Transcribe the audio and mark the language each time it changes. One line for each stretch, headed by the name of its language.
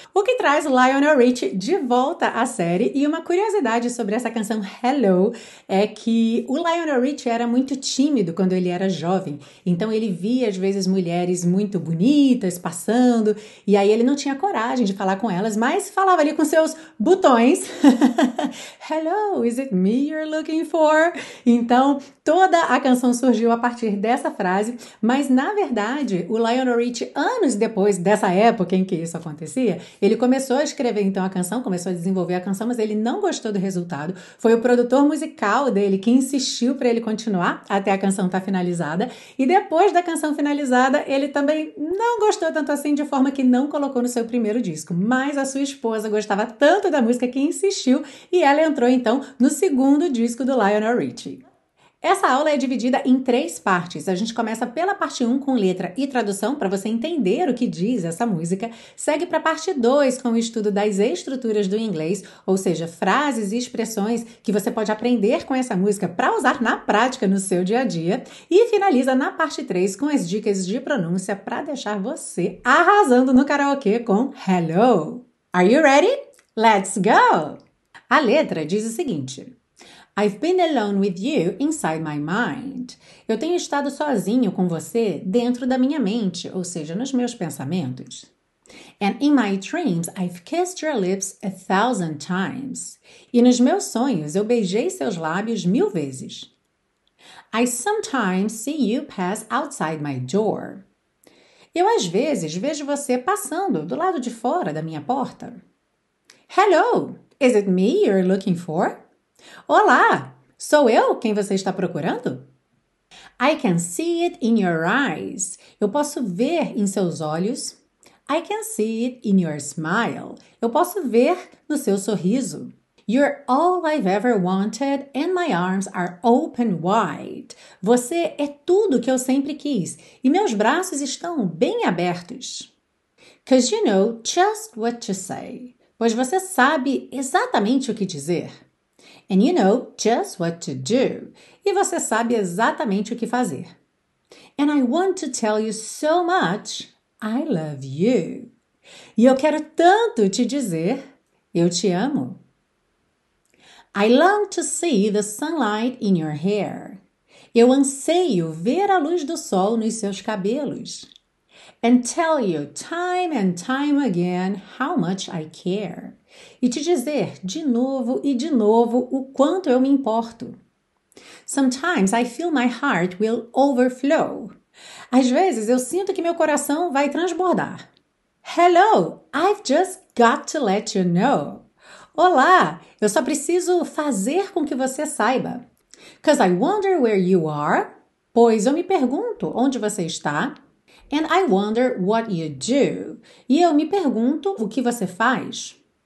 Portuguese: O que traz Lionel Richie de volta à série. E uma curiosidade sobre essa canção Hello é que o Lionel Richie era muito tímido quando ele era jovem, então ele via às vezes mulheres muito bonitas passando, e aí ele não tinha coragem de falar com elas, mas falava ali com seus botões.
English: Hello, is it me you're looking for?
Portuguese: Então, toda a canção surgiu a partir dessa frase, mas na verdade, o Lionel Richie, anos depois dessa época em que isso acontecia, ele começou a escrever então a canção, começou a desenvolver a canção, mas ele não gostou do resultado. Foi o produtor musical dele que insistiu para ele continuar até a canção estar finalizada, e depois da canção finalizada, ele também não gostou tanto assim, de forma que não colocou no seu primeiro disco, mas a sua esposa gostava tanto da música que insistiu, e ela entrou então no segundo disco do Lionel Richie. Essa aula é dividida em três partes. A gente começa pela parte 1 com letra e tradução, para você entender o que diz essa música. Segue para a parte 2 com o estudo das estruturas do inglês, ou seja, frases e expressões que você pode aprender com essa música para usar na prática no seu dia a dia. E finaliza na parte 3 com as dicas de pronúncia para deixar você arrasando no karaokê com Hello.
English: Are you ready? Let's go!
Portuguese: A letra diz o seguinte.
English: I've been alone with you inside my mind.
Portuguese: Eu tenho estado sozinho com você dentro da minha mente, ou seja, nos meus pensamentos.
English: And in my dreams, I've kissed your lips 1,000 times.
Portuguese: E nos meus sonhos, eu beijei seus lábios 1,000 vezes.
English: I sometimes see you pass outside my door.
Portuguese: Eu às vezes vejo você passando do lado de fora da minha porta.
English: Hello, is it me you're looking for?
Portuguese: Olá, sou eu quem você está procurando?
English: I can see it in your eyes.
Portuguese: Eu posso ver em seus olhos.
English: I can see it in your smile.
Portuguese: Eu posso ver no seu sorriso.
English: You're all I've ever wanted and my arms are open wide.
Portuguese: Você é tudo que eu sempre quis e meus braços estão bem abertos.
English: 'Cause you know just what to say.
Portuguese: Pois você sabe exatamente o que dizer.
English: And you know just what to do.
Portuguese: E você sabe exatamente o que fazer.
English: And I want to tell you so much, I love you.
Portuguese: E eu quero tanto te dizer, eu te amo.
English: I long to see the sunlight in your hair.
Portuguese: Eu anseio ver a luz do sol nos seus cabelos.
English: And tell you time and time again how much I care.
Portuguese: E te dizer de novo e de novo o quanto eu me importo.
English: Sometimes I feel my heart will overflow.
Portuguese: Às vezes eu sinto que meu coração vai transbordar.
English: Hello, I've just got to let you know.
Portuguese: Olá, eu só preciso fazer com que você saiba.
English: 'Cause I wonder where you are.
Portuguese: Pois eu me pergunto onde você está.
English: And I wonder what you do.
Portuguese: E eu me pergunto o que você faz.